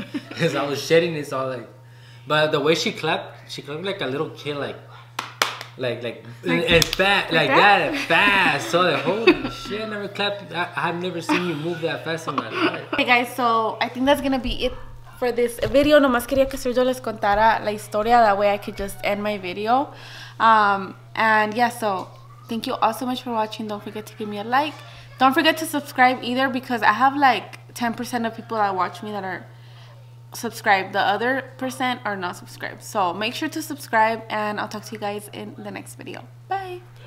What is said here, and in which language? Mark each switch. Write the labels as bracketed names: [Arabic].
[English] Because I was shedding it, so I was like. But the way she clapped like a little kid, like that fast. So the holy shit, I never clapped. I've never seen you move that fast in my life. Hey guys, so I think that's gonna be it for this video. [Spanish] Nomás quería que Sergio les contara la historia. [English] That way I could just end my video. And yeah, so thank you all so much for watching. Don't forget to give me a like. Don't forget to subscribe either, because I have like 10% of people that watch me that are subscribed. The other percent are not subscribed. So make sure to subscribe, and I'll talk to you guys in the next video. Bye.